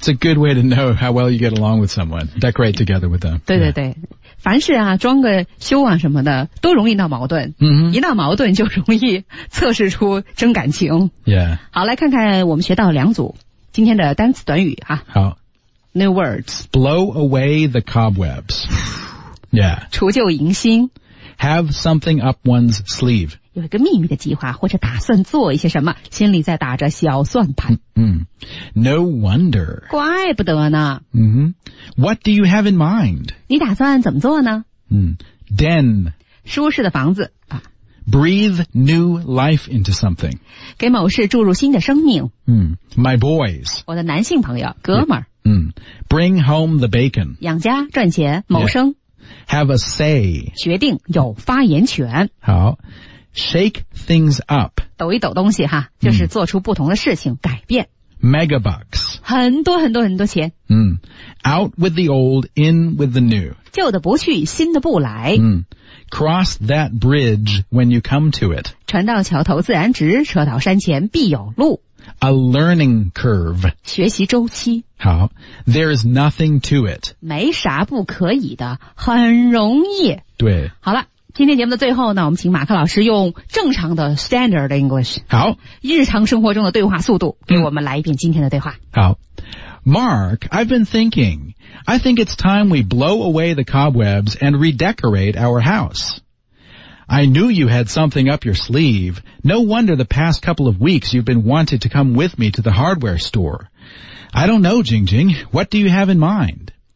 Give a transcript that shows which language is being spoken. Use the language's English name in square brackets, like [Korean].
[English] It's a good way to know how well you get along with someone Decorate together with them [Chinese] 对对对、 [English] yeah. [Chinese] 凡事啊装个修啊什么的都容易闹矛盾、 mm-hmm. 一闹矛盾就容易测试出真感情 [English] Yeah [Chinese] 好来看看我们学到两组今天的单词短语啊好 [English] New words Blow away the cobwebs Yeah [Chinese] 除旧迎新 [English] Have something up one's sleeve [Chinese] 有一个秘密的计划或者打算做一些什么心里在打着小算盘。 [English] 嗯、mm-hmm. No wonder. [Chinese] 怪不得呢。 [English] 嗯、mm-hmm. What do you have in mind? [Chinese] 你打算怎么做呢 [English] 嗯、mm-hmm. Den. [Chinese] 舒适的房子。 [English] Breathe new life into something. [Chinese] 给某事注入新的生命。 [English] 嗯、mm-hmm. My boys. [Chinese] 我的男性朋友哥们儿。 [English] 嗯、mm-hmm. Bring home the bacon. [Chinese] 养家赚钱谋生。 [English] Yeah. Have a say. [Chinese] 决定有发言权。 [English] 好。Shake things up. [Chinese] 抖一抖东西哈就是做出不同的事情、改变。 [English] Megabucks. [Chinese] 很多很多很多钱。 [English] Out with the old, in with the new. [Chinese] 旧的不去新的不来。 [English] Cross that bridge when you come to it. [Chinese] 船到桥头自然直车到山前必有路。 [English] A learning curve. [Chinese] 学习周期。 [English] 好。There is nothing to it. [Chinese] 没啥不可以的很容易。对。好了。今天节目的最后呢我们请马克老师用正常的 [English] standard English [Chinese] 好日常生活中的对话速度给我们来一遍今天的对话 [English] 好 Mark, I've been thinking I think it's time we blow away the cobwebs and redecorate our house I knew you had something up your sleeve No wonder the past couple of weeks you've been wanted to come with me to the hardware store I don't know, Jing Jing What do you have in mind?